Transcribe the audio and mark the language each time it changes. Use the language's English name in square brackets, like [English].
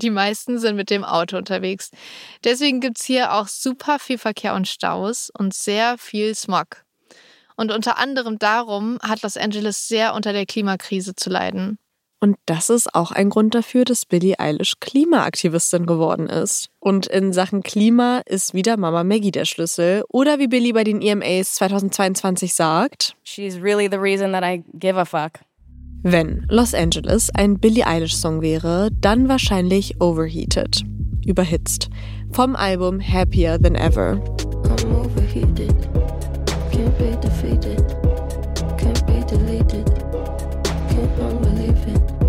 [German] Die meisten sind mit dem Auto unterwegs. Deswegen gibt es hier auch super viel Verkehr und Staus und sehr viel Smog. Und unter anderem darum hat Los Angeles sehr unter der Klimakrise zu leiden. Und das ist auch ein Grund dafür, dass Billie Eilish Klimaaktivistin geworden ist. Und in Sachen Klima ist wieder Mama Maggie der Schlüssel. Oder wie Billie bei den EMAs 2022 sagt, [English] she's really the reason that I give a fuck. [German] Wenn Los Angeles ein Billie Eilish Song wäre, dann wahrscheinlich Overheated. Überhitzt. Vom Album Happier Than Ever. [English] I'm overheated. Can't be defeated. Can't be deleted. Can't unbelieve it.